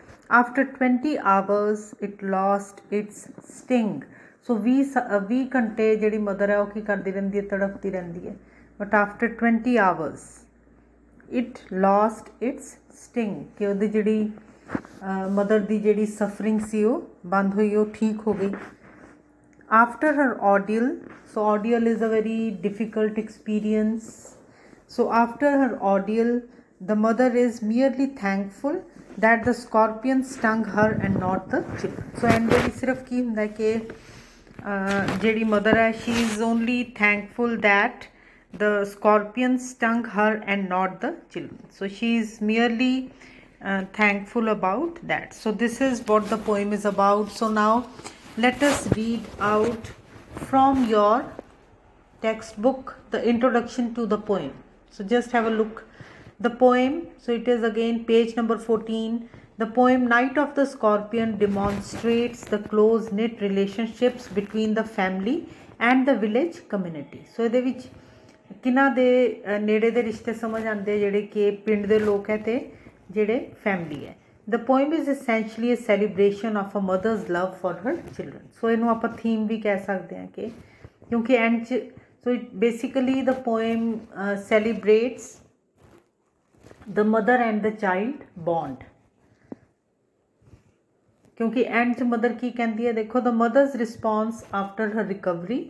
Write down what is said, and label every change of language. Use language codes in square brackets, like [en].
[en] After 20 hours it lost its sting. [pa] ਸੋ 20 ਘੰਟੇ ਜਿਹੜੀ mother ਹੈ ਉਹ ਕੀ ਕਰਦੀ ਰਹਿੰਦੀ ਹੈ? ਤੜਫਦੀ ਰਹਿੰਦੀ ਹੈ. [en] but after 20 hours it lost its sting, [pa] ਕਿ ਉਹਦੀ ਜਿਹੜੀ ਮਦਰ ਦੀ ਜਿਹੜੀ ਸਫਰਿੰਗ ਸੀ ਉਹ ਬੰਦ ਹੋਈ, ਉਹ ਠੀਕ ਹੋ ਗਈ. [en] After her ordeal, so ordeal is a very difficult experience. So after her ordeal, the mother is merely thankful that the scorpion stung her and not the children. So and [pa] ye sirf ki hunda ke jehdi [en] mother hai, she is only thankful that the scorpion stung her and not the children. So she is merely thankful about that. So this is what the poem is about. So now let us read out from your textbook the introduction to the poem. So just have a look. The poem, so it is again page number 14, The poem Night of the Scorpion demonstrates the close-knit relationships between the family and the village community. [pa] So, ਇਹਦੇ ਵਿੱਚ ਕਿਹਨਾਂ ਦੇ ਨੇੜੇ ਦੇ ਰਿਸ਼ਤੇ ਸਮਝ ਆਉਂਦੇ ਆ, ਜਿਹੜੇ ਕਿ ਪਿੰਡ ਦੇ ਲੋਕ ਹੈ ਅਤੇ ਜਿਹੜੇ ਫੈਮਲੀ ਹੈ. [en] The poem is essentially a celebration of a mother's love for her children. So, [pa] ਇਹਨੂੰ ਆਪਾਂ ਥੀਮ ਵੀ ਕਹਿ ਸਕਦੇ ਹਾਂ ਕਿ ਕਿਉਂਕਿ ਐਂਡ 'ਚ [en] So it basically the poem celebrates the mother and the child bond. [pa] ਕਿਉਂਕਿ ਐਂਡ 'ਚ ਮਦਰ ਕੀ ਕਹਿੰਦੀ ਹੈ, ਦੇਖੋ [en] The mother's response after her recovery.